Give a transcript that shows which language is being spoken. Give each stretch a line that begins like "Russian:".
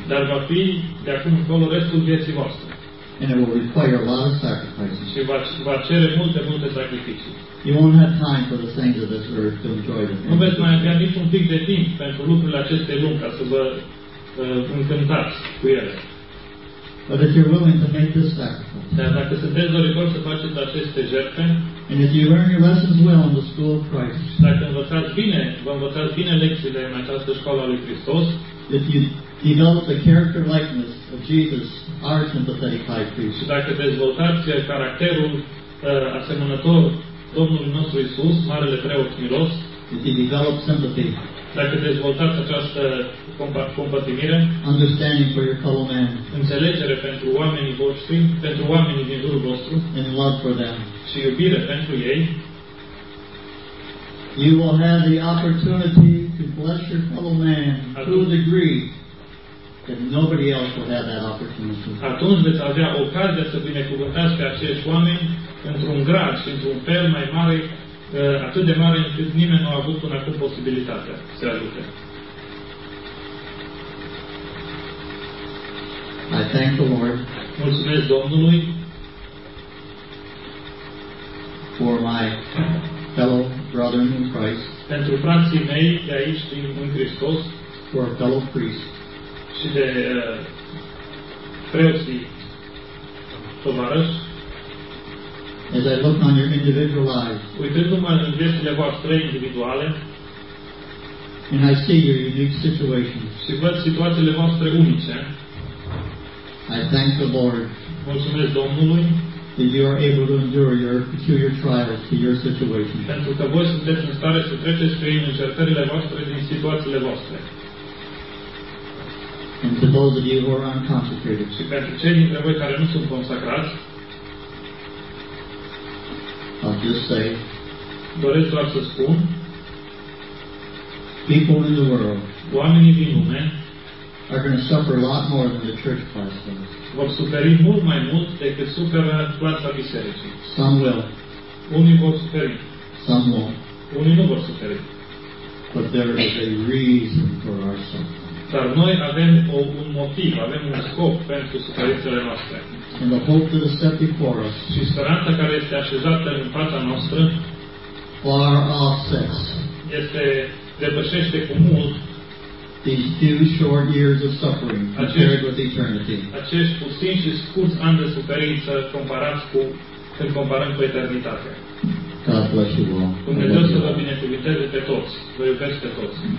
Romanian: Dar va fi de acum încolo restul vieții voastre.
English: and it will require a lot of sacrifices.
Romanian: Și va cere multe, multe sacrificii.
English: You won't have time for the things of this earth to enjoy them.
Romanian: Nu veți mai avea niciun pic de timp pentru lucrurile acestei lumi ca să vă încântați cu ele.
English: But if you're willing to make this sacrifice,
Romanian: dar dacă sunteți dorincioși să faceți aceste jertfe,
English: and if you learn your lessons well in the school of Christ,
Romanian: dacă învățați bine, vă învățați bine lecțiile în această școală a lui Hristos,
English: if you develop the character likeness of Jesus, our sympathetic high priest,
Romanian: și dacă dezvoltați caracterul asemănător Domnului nostru Iisus, Marele Preot Milos,
English: if you develop sympathy,
Romanian: dacă dezvoltați această compătimire,
English: understanding for your fellow man,
Romanian: înțelegere pentru oamenii voștri, pentru oamenii din jurul vostru,
English: and love for them,
Romanian: și iubire pentru ei,
English: you will have the opportunity to bless your fellow man to a degree that nobody else will have that opportunity.
Romanian: Atunci veți avea ocazia să binecuvântați pe acești oameni într-un grad și într-un fel mai mare, atât de mare încât nimeni nu a avut până acum posibilitatea să ajute.
English: I thank the Lord.
Romanian: Mulțumesc Domnului
English: for my fellow brother in Christ.
Romanian: Pentru frații mei de aici din în Hristos,
English: for a fellow priest.
Romanian: Și de preoții tovarăși.
English: As I look on your individual lives,
Romanian: uitându-mă în viețile voastre individuale,
English: and I see your unique situation,
Romanian: și văd situațiile voastre unice,
English: I thank the Lord,
Romanian: mulțumesc Domnului,
English: that you are able to endure your peculiar trials to your situation,
Romanian: pentru că voi sunteți în stare să treceți prin încercările voastre din situațiile voastre.
English: And to those of you who are unconsecrated,
Romanian: și pentru cei dintre voi care nu sunt consacrați,
English: I'll just say,
Romanian: doresc doar să spun,
English: people in the world,
Romanian: oamenii din lume,
English: are going to suffer a lot more than the church class does.
Romanian: Vor suferi mult mai mult decât suferă clasa bisericii.
English: Some will.
Romanian: Unii vor suferi.
English: Some won't.
Romanian: Unii nu vor suferi.
English: But there is a reason for our suffering.
Romanian: Dar noi avem un motiv, avem un scop pentru suferințele noastre.
English: And the hope that is set before us,
Romanian: și speranța care este așezată în fața noastră,
English: far offsets,
Romanian: este, depășește cu mult
English: these few short years of suffering compared with eternity.
Romanian: Acești puțin și scurți ani de suferință comparați cu, când comparăm cu eternitatea.
English: God bless you all.
Romanian: Dumnezeu să vă binecuvinteze pe toți. Vă iubesc pe toți.